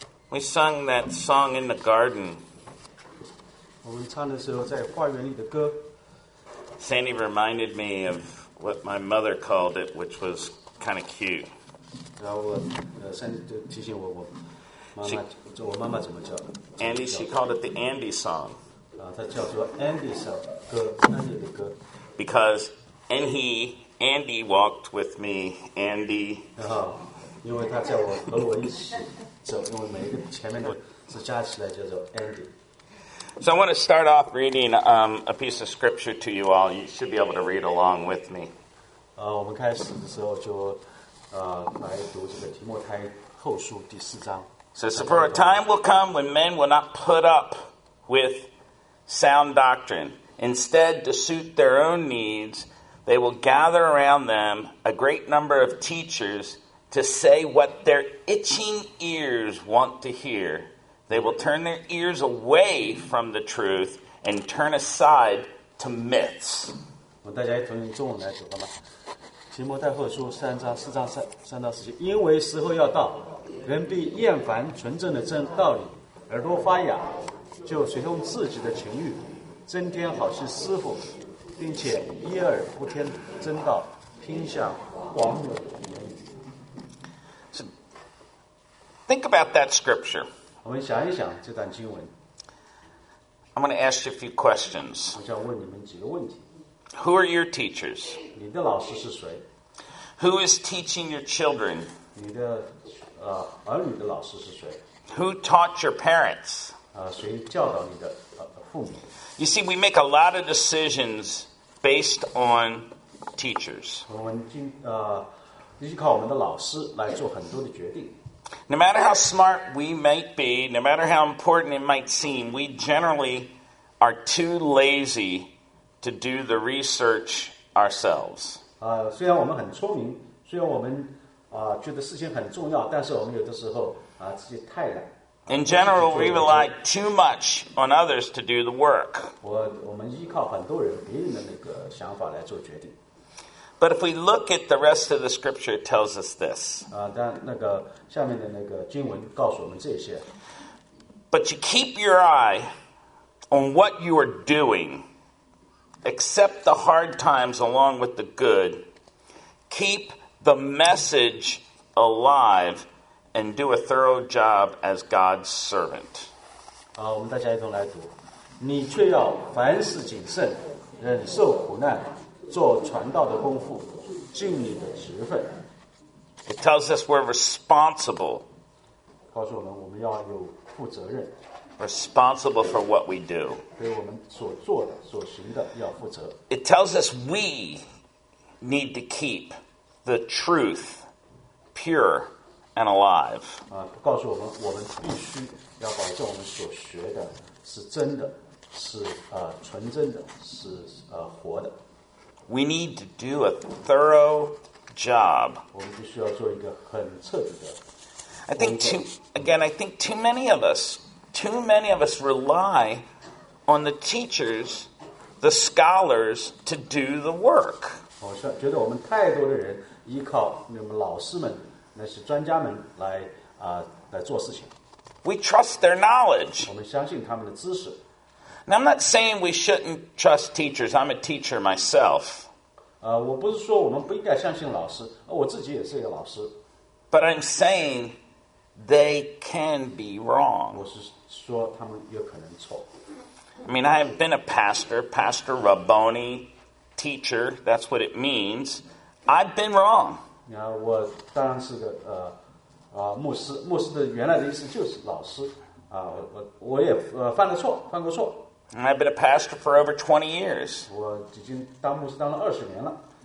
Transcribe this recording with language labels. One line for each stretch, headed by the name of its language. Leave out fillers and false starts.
English: We sang that song in the garden.
Chinese: 我们唱的时候在花园里的歌。
English: Sandy reminded me of what my mother called it, which was kind of cute.
Chinese: 然后Sandy就提醒我，我妈妈，就我妈妈怎么叫的
English: ？Andy, she called it the Andy song.
Chinese: 她叫做 Andy song 歌，安迪的歌。
English: Because and he, Andy walked with me, Andy.
Chinese: 因为他叫我和我一起走，因为每一个前面的字加起来叫做 Andy。
English: So I want to start off reading a piece of scripture to you all. You should be able to read along with me.
Chinese: 我们开始的时候就来读这个提摩太后书第四章。
English: Says, so for a time will come when men will not put up with sound doctrine. Instead, to suit their own needs, they will gather around them a great number of teachers to say what their itching ears want to hear. They will turn their ears away from the truth and turn aside to myths.
Chinese: 大家一同用中文来读好吗？提摩太后书三章四章三到四节，因为时候要到，人必厌烦纯正的真道理，耳朵发哑，就随从自己的情欲，增添好些师傅，并且一耳不听真道，听向谎言。
English: Think about that scripture.
Chinese: 我们想一想这段经文。
English: I'm going to ask you a few questions.
Chinese: 我想问你们几个问题。
English: Who are your teachers?
Chinese: 你的老师是谁？
English: Who is teaching your children?
Chinese: 你的儿女的老师是谁？
English: Who taught your parents?
Chinese: 谁教导你的父母？
English: You see, we make a lot of decisions based on teachers.
Chinese: 我们依靠我们的老师来做很多的决定。
English: No matter how smart we might be, no matter how important it might seem, we generally are too lazy to do the research ourselves.
Chinese: 虽然我们很聪明，虽然我们觉得事情很重要，但是我们有的时候自己太懒。
English: In general, we rely too much on others to do the work.
Chinese: 我们依靠很多人，别人的那个想法来做决定。
English: But if we look at the rest of the scripture, it tells us this.
Chinese: 但那个下面的那个经文告诉我们这些。
English: But you keep your eye on what you are doing. Accept the hard times along with the good. Keep the message alive and do a thorough job as God's servant.
Chinese: 我们大家一同来读。你却要凡事谨慎，忍受苦难。做传道的功夫，尽你的职分。
English: It tells us we're responsible.
Chinese: 告诉我们，我们要有负责任。
English: Responsible for what we do.
Chinese: 对我们所做的、所行的要负责。
English: It tells us we need to keep the truth pure and alive.
Chinese: 告诉我们，我们必须要保证我们所学的是真的，是纯真的，是活的。
English: We need to do a thorough job.
Chinese: 我们必须要做一个很彻底的。
English: I think too many of us rely on the teachers, the scholars to do the work.
Chinese: 我觉得我们太多的人依靠那么老师们，那些专家们来做事情。
English: We trust their knowledge.
Chinese: 我们相信他们的知识。
English: Now, I'm not saying we shouldn't trust teachers. I'm a teacher myself.
Chinese: 我不是说我们不应该相信老师，我自己也是一个老师。
English: But I'm saying they can be wrong.
Chinese: 我是说他们有可能错。
English: I mean, I have been a pastor, Pastor Rabboni, teacher. That's what it means. I've been wrong.
Chinese: 我当然是个牧师，牧师的原来的意思就是老师。我也犯了错，犯过错。
English: And I've been a pastor for over 20 years.
Chinese: 我已经当牧师当了20年了。